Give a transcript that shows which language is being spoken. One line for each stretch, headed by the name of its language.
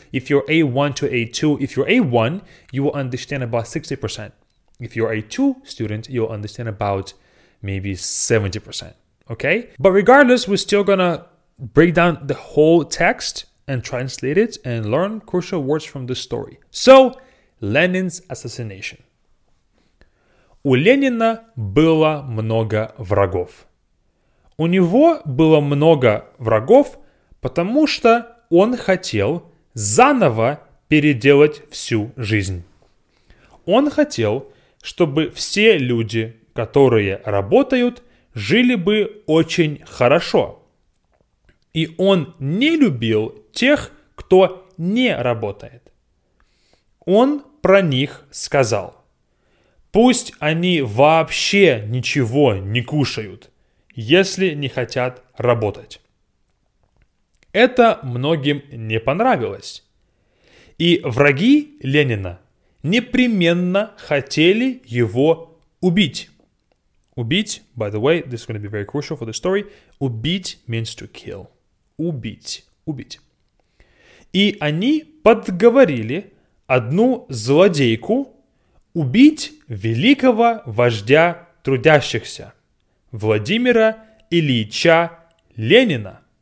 English: If you're A1 to A2, if you're A1, you will understand about 60%. If you're A2 student, you'll understand about maybe 70%. Okay, but regardless, we're still gonna break down the whole text and translate it and learn crucial words from the story. So, Lenin's assassination.
Russian: У Ленина было много врагов. У него было много врагов, потому что он хотел заново переделать всю жизнь. Он хотел, чтобы все люди, которые работают, жили бы очень хорошо. И он не любил тех, кто не работает. Он про них сказал: «Пусть они вообще ничего не кушают, если не хотят работать». Это многим не понравилось. И враги Ленина непременно хотели его убить.
English: Убить, by the way, this is going to be very crucial for the story. Убить means to kill. Убить.
Russian: И они подговорили одну злодейку убить великого вождя трудящихся, Владимира Ильича Ленина.